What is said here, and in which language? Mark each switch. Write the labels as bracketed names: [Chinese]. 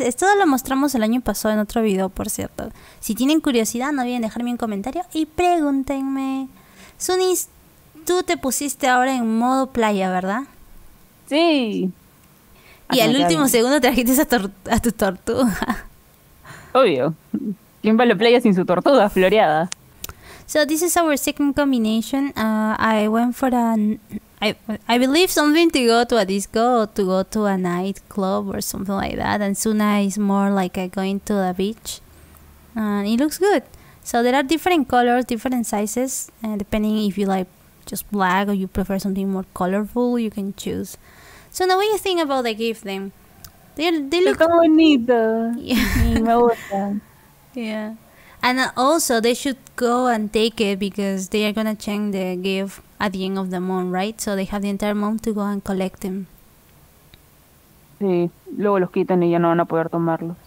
[Spanish] Esto lo mostramos el año pasado en otro video, por cierto. Si tienen curiosidad, no olviden dejarme un comentario y pregúntenme. Sunis, tú te pusiste ahora en modo playa, ¿verdad? Sí. Y al último segundo trajiste a tu tortuga. Obvio. ¿Quién va a la playa sin su tortuga floreada? [English] So this is our second combination. I believe something to go to a disco or to go to a nightclub or something like that. And Suna is more like going to the beach. And it looks good. So there are different colors, different sizes, depending if you like just black or you prefer something more colorful, you can choose. So now, what do you think about the gift then? They look [Spanish] bonito. [English] Yeah. And also, they should go and take it because they are gonna change the gift at the end of the month, right? So they have the entire month to go and collect them. [Spanish] Sí, luego los quiten y ya no van a poder tomarlos.